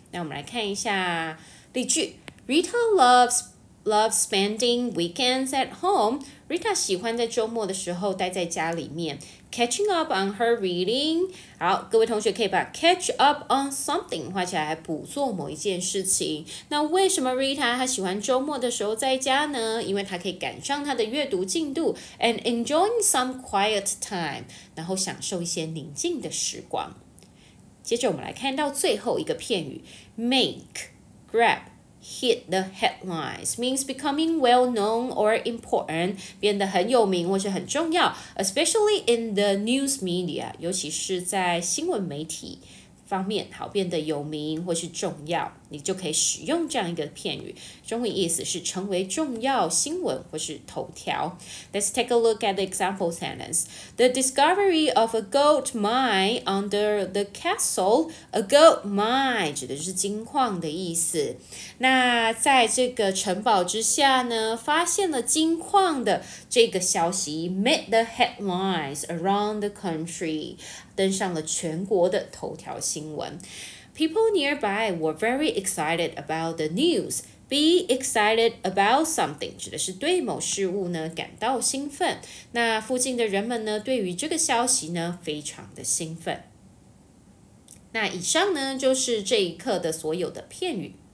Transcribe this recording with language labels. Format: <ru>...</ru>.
<zh>那我们来看一下例句</zh> <en>Rita loves spending weekends at home.</en> <zh>Rita 喜欢在周末的时候待在家里面</zh> <en>catching up on her reading.</en> <zh>好，各位同学可以把 catch up on something 画起来，补做某一件事情。那为什么 Rita 她喜欢周末的时候在家呢？因为她可以赶上她的阅读进度</zh> <en>and enjoying some quiet time，</en> <zh>然后享受一些宁静的时光。接着我们来看到最后一个片语 make grab。</zh> <en>Hit the headlines means becoming well known or important，</en> <zh>变得很有名或是很重要，</zh> <en>especially in the news media，</en> <zh>尤其是在新闻媒体方面，好变得有名或是重要，你就可以使用这样一个片语，中文意思是成为重要新闻或是头条。</zh> <en>Let's take a look at the example sentence. The discovery of a gold mine under the castle.</en> <zh>A gold mine 指的是金矿的意思。那在这个城堡之下呢，发现了金矿的这个消息</zh> <en>made the headlines around the country，</en> <zh>登上了全国的头条新闻。</zh> <en>People nearby were very excited about the news. Be excited about something</en> <zh>指的是对某事物呢感到兴奋。那附近的人们呢对于这个消息呢非常的兴奋。那以上呢就是这一课的所有的片语。</zh>